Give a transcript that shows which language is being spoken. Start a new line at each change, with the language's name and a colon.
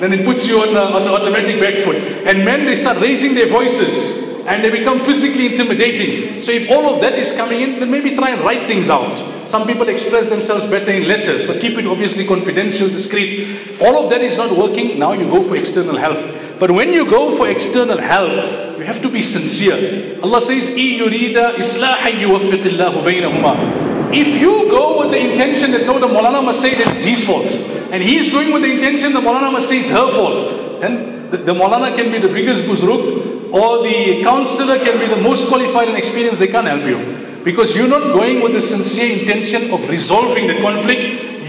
English: Then it puts you on the automatic back foot. And men, they start raising their voices and they become physically intimidating. So if all of that is coming in, then maybe try and write things out. Some people express themselves better in letters, but keep it obviously confidential, discreet. All of that is not working, now you go for external help. But when you go for external help, you have to be sincere. Allah says,
Arabic: إِن يُرِيدَ إِصْلَاحًا يُوَفِّقِ اللَّهُ بَيْنَهُمَا.
English: If you go with the intention that no, the Mawlana must say that it's his fault, and he's going with the intention the Mawlana must say it's her fault, then the Mawlana can be the biggest buzruk, or the counselor can be the most qualified and experienced, they can't help you. Because you're not going with the sincere intention of resolving the conflict.